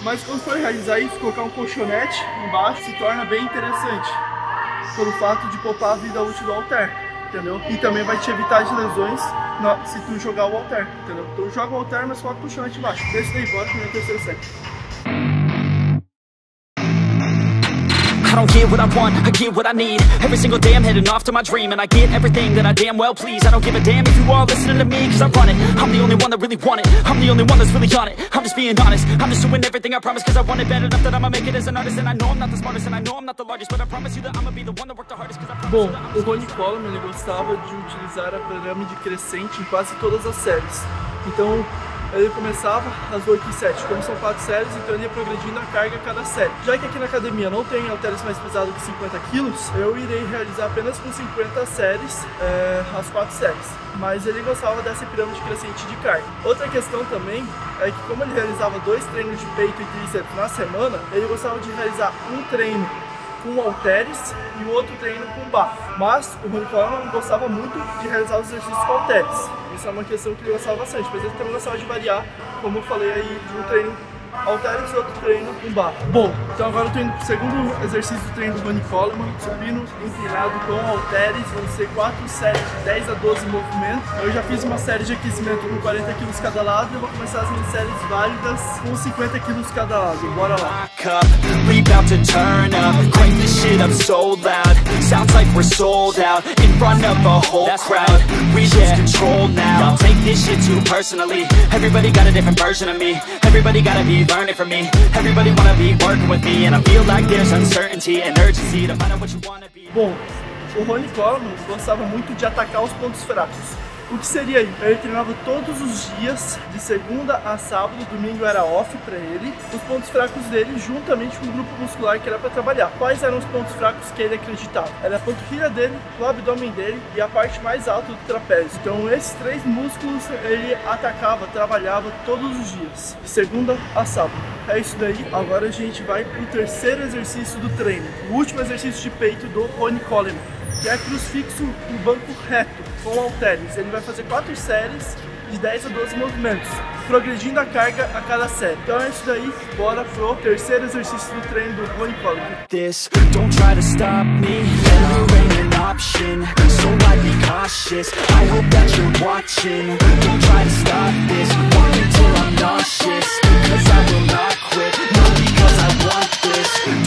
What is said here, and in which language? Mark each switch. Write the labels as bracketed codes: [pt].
[pt] Mas quando for realizar isso, colocar um colchonete embaixo se torna bem interessante, pelo fato de poupar a vida útil do halter, entendeu? E também vai te evitar as lesões se tu jogar o halter, entendeu? Então joga o halter, mas coloca o colchonete embaixo. Deixa daí, bora pra minha terceira série. [en] I don't get what I want, I get what I need. Every single day I'm heading off to my dream. And I get everything that I damn well please. I don't give a damn if you all listening to me. Cause I'm running, I'm the only one that really want it. I'm the only one that's really on it. I'm just being honest, I'm just doing everything I promise. Cause I want it bad enough that I'ma make it as an artist. And I know I'm not the smartest and I know I'm not the largest. But I promise you that I'ma be the one that worked the hardest. Cause I promise. [pt] Bom, o Ronnie Coleman, ele gostava de utilizar a pirâmide crescente em quase todas as séries. Então ele começava as 8 e 7, como são 4 séries, então ele ia progredindo a carga a cada série. Já que aqui na academia não tem halteres mais pesados que 50 kg, eu irei realizar apenas com 50 séries, as 4 séries. Mas ele gostava dessa pirâmide crescente de carga. Outra questão também é que como ele realizava 2 treinos de peito e tríceps na semana, ele gostava de realizar um treino com halteres e o outro treino com barra. Mas o Ronnie Coleman gostava muito de realizar os exercícios com halteres. Isso é uma questão que ele gostava bastante, mas ele também gostava de variar, como eu falei aí, de um treino altera esse outro treino com barra. Bom, então agora eu tô indo pro segundo exercício do treino do Ronnie Coleman, supino inclinado com halteres, vão ser 4 séries de 10 a 12 movimentos. Eu já fiz uma série de aquecimento com 40 quilos cada lado e eu vou começar as minhas séries válidas com 50 quilos cada lado. Bora lá! [en] We about to turn up, crank this shit up so loud. Sounds like we're sold out in front of a whole crowd. We lose control now, don't take this shit too personally. Everybody got a different version of me. Everybody gotta be learning from me. Everybody wanna be working with me. And I feel like there's uncertainty and urgency to find out what you wanna be. [pt] Bom, o Ronnie Coleman gostava muito de atacar os pontos fracos. O que seria isso? Ele treinava todos os dias, de segunda a sábado, domingo era off pra ele, os pontos fracos dele, juntamente com o grupo muscular que era pra trabalhar. Quais eram os pontos fracos que ele acreditava? Era a panturrilha dele, o abdômen dele e a parte mais alta do trapézio. Então esses três músculos ele atacava, trabalhava todos os dias, de segunda a sábado. É isso daí, agora a gente vai pro terceiro exercício do treino, o último exercício de peito do Ronnie Coleman, que é crucifixo em banco reto, com halteres. Ele vai fazer 4 séries de 10 a 12 movimentos, progredindo a carga a cada série. Então é isso daí, bora pro terceiro exercício do treino do Ronnie Coleman. [en] This, don't try to stop me, never ain't an option. So I be cautious, I hope that you're watching. Don't try to stop this, walk until I'm nauseous. Cause I will not quit, not because I want this.